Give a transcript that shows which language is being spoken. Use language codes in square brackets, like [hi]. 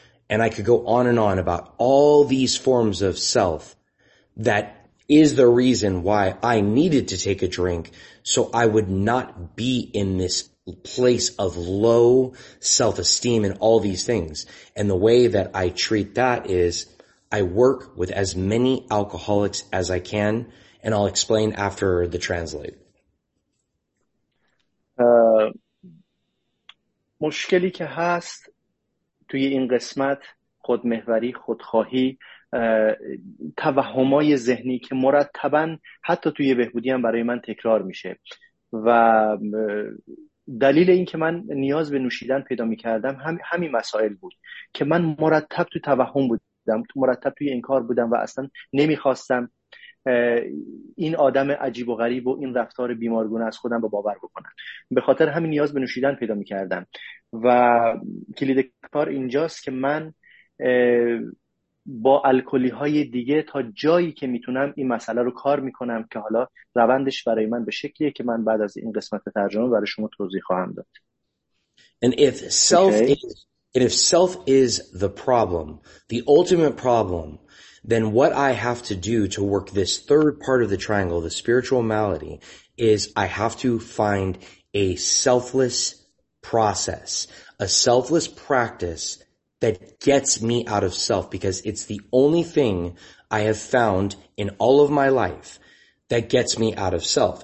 [en] And I could go on and on about all these forms of self that is the reason why I needed to take a drink so I would not be in this place of low self-esteem and all these things. And the way that I treat that is I work with as many alcoholics as I can, and I'll explain after the translate. [fa] مشکلی که هست توی این قسمت خودمحوری، خودخواهی، توهمای ذهنی که مرتبا حتی توی بهبودی هم برای من تکرار میشه، و دلیل این که من نیاز به نوشیدن پیدا میکردم همین مسائل بود که من مرتب توی توهم بودم، تو مرتب توی انکار بودم و اصلا نمیخواستم این آدم عجیب و غریب و این رفتار بیمارگونه از خودم رو باور بکنم. به خاطر همین نیاز به نوشیدن پیدا میکردم و کلید کار اینجاست که من با الکلی های دیگه تا جایی که میتونم این مسئله رو کار میکنم، که حالا روندش برای من به شکلیه که من بعد از این قسمت ترجمه برای شما توضیح خواهم داد. [en] And if self okay. And if self is the problem, the ultimate problem, then what I have to do to work this third part of the triangle, the spiritual malady, is I have to find a selfless process, a selfless practice that gets me out of self, because it's the only thing I have found in all of my life that gets me out of self.